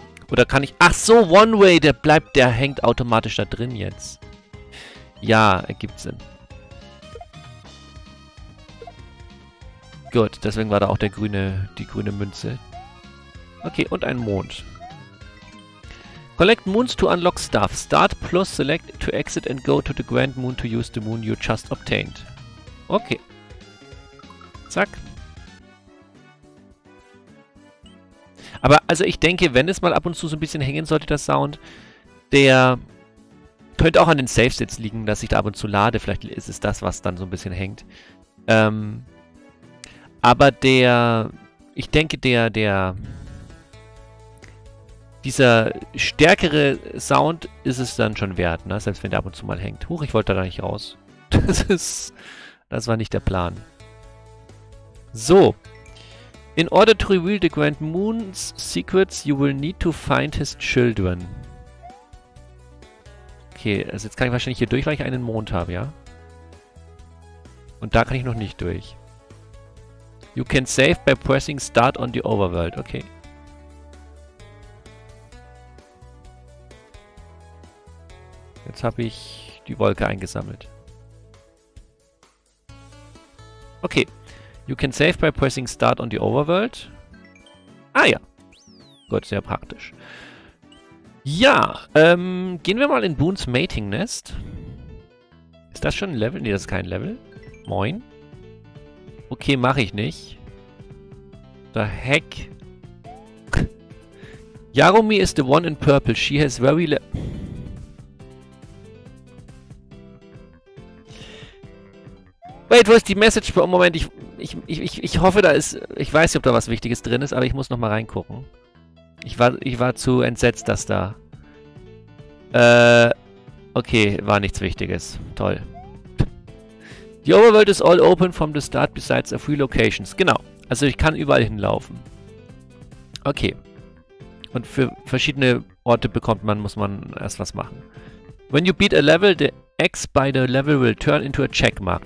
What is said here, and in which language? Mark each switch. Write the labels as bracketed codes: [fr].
[de] Oder kann ich... Ach so, One Way, der bleibt, der hängt automatisch da drin jetzt. Ja, ergibt Sinn. Gut, deswegen war da auch der grüne, die grüne Münze. [en] Okay, [de] und ein Mond. [en] Collect moons to unlock stuff. Start plus select to exit and go to the grand moon to use the moon you just obtained. [de] Okay. Zack. Aber also ich denke, wenn es mal ab und zu so ein bisschen hängen sollte, der Sound, der könnte auch an den Save-Sets liegen, dass ich da ab und zu lade. Vielleicht ist es das, was dann so ein bisschen hängt. Aber der... Ich denke, der... Dieser stärkere Sound ist es dann schon wert, ne? Selbst wenn der ab und zu mal hängt. Huch, ich wollte da nicht raus. Das war nicht der Plan. So. [en] In order to reveal the Grand Moon's secrets, you will need to find his children. [de] Okay, also jetzt kann ich wahrscheinlich hier durch, weil ich einen Mond habe, ja? Und da kann ich noch nicht durch. [en] You can save by pressing start on the overworld. Okay. [de] Jetzt habe ich die Wolke eingesammelt. [en] Okay. You can save by pressing start on the overworld. [de] Ah ja. Gut, sehr praktisch. Ja, gehen wir mal in Boons Mating Nest. Ist das schon ein Level? Nee, das ist kein Level. Moin. Okay, mache ich nicht. [en] The heck? Yarumi is the one in purple. She has very le... [de] Wait, wo ist die Message? Oh, Moment, ich hoffe, da ist... Ich weiß nicht, ob da was Wichtiges drin ist, aber ich muss noch mal reingucken. Ich war zu entsetzt, dass da... Okay, war nichts Wichtiges. Toll. [en] The overworld is all open from the start besides a few locations. [de] Genau. Also ich kann überall hinlaufen. Okay. Und für verschiedene Orte bekommt man, muss man erst was machen. [en] When you beat a level, the X by the level will turn into a checkmark.